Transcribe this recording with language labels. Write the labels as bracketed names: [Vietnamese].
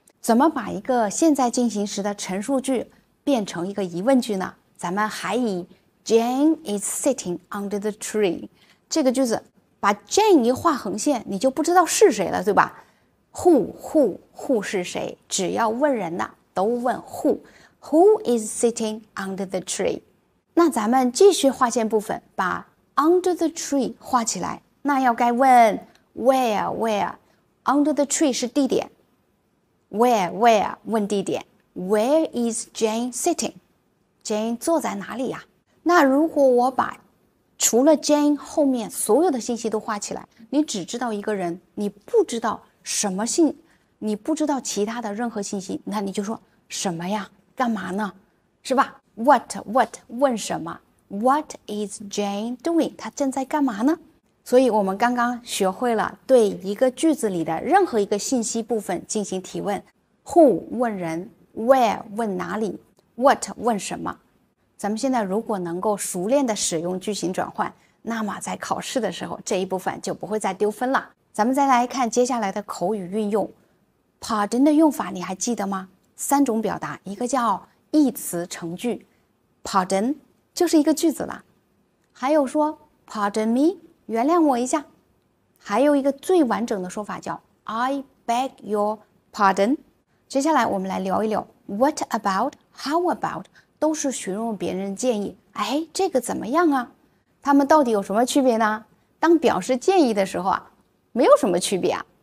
[Chinese] 怎么把一个现在进行时的陈述句变成一个疑问句呢？咱们还以 [English] "Jane is sitting under the tree" [Chinese] 这个句子，把 Jane 一划横线，你就不知道是谁了，对吧？Who 是谁？只要问人的都问 [English] Who is sitting under the tree？ [Chinese] 那咱们继续划线部分，把 under the tree 画起来，那要该问。 [English] Where under the tree [Chinese] 是地点。 [English] Where [Chinese] 问地点。 [English] Where is Jane sitting? [Chinese] Jane 坐在哪里呀？那如果我把除了 Jane 后面所有的信息都画起来，你只知道一个人，你不知道什么信，你不知道其他的任何信息，那你就说什么呀？干嘛呢？是吧？ [English] What [Chinese] 问什么？ [English] What is Jane doing? [Chinese] 她正在干嘛呢？所以，我们刚刚学会了对一个句子里的任何一个信息部分进行提问：Who 问人，Where 问哪里，What 问什么。咱们现在如果能够熟练的使用句型转换，那么在考试的时候这一部分就不会再丢分了。咱们再来看接下来的口语运用，Pardon 的用法你还记得吗？三种表达，一个叫一词成句，Pardon 就是一个句子了。还有说 [English] Pardon me。 [Chinese] 原谅我一下，还有一个最完整的说法叫 [English] "I beg your pardon"。 [Chinese] 接下来我们来聊一聊 [English] "What about? How about?" [Chinese] 都是询问别人建议。哎，这个怎么样啊？他们到底有什么区别呢？当表示建议的时候啊，没有什么区别啊。